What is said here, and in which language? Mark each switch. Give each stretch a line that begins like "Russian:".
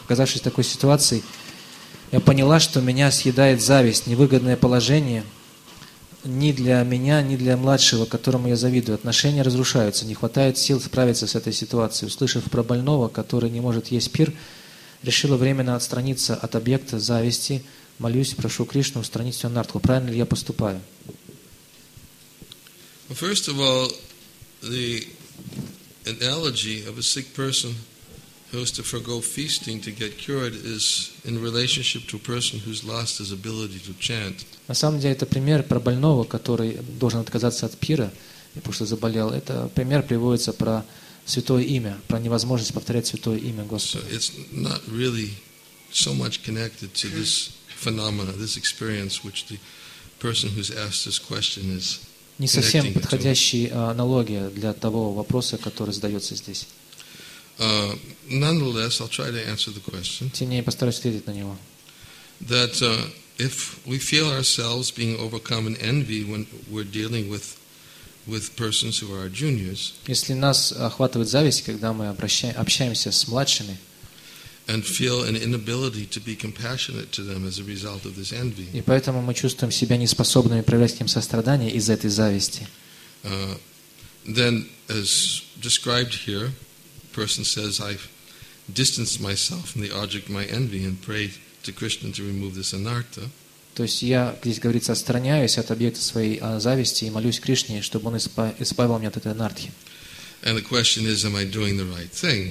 Russian: Оказавшись в такой ситуации, я поняла, что меня съедает зависть, невыгодное положение ни для меня, ни для младшего, которому я завидую. Отношения разрушаются, не хватает сил справиться с этой ситуацией. Услышав про больного, который не может есть пир, решила временно отстраниться от объекта зависти. Молюсь, прошу Кришну устранить всю анартху. Правильно ли я поступаю?
English: Well, first of all, the analogy of a sick person who has to forgo feasting to get cured is in relationship to a person who's lost his ability to chant.
Russian: На самом деле, это пример про больного, который должен отказаться от пира, потому что заболел. Это пример приводится про святое имя, про невозможность повторять святое имя Господа.
English: So it's not really so much connected to this phenomena, this experience, which the person who's asked this question is.
Russian: Не совсем подходящая аналогия для того вопроса, который задается здесь.
English: Nonetheless, I'll try to answer the question.
Russian: Тем не менее, постараюсь ответить на него.
English: That if we feel ourselves being overcome in envy when we're dealing with persons who are our juniors.
Russian: Если нас охватывает зависть, когда мы общаемся с младшими.
English: And feel an inability to be compassionate to them as a result of this envy.
Russian: И поэтому мы чувствуем себя неспособными проявлять к ним сострадание из-за этой зависти.
English: Then, as described here, person says, "I've distanced myself from the object of my envy and prayed to Krishna to remove this anartha."
Russian: То есть я, здесь говорится, отстраняюсь от объекта своей зависти и молюсь Кришне, чтобы Он избавил меня от этой анартхи.
English: And the question is, am I doing the right thing?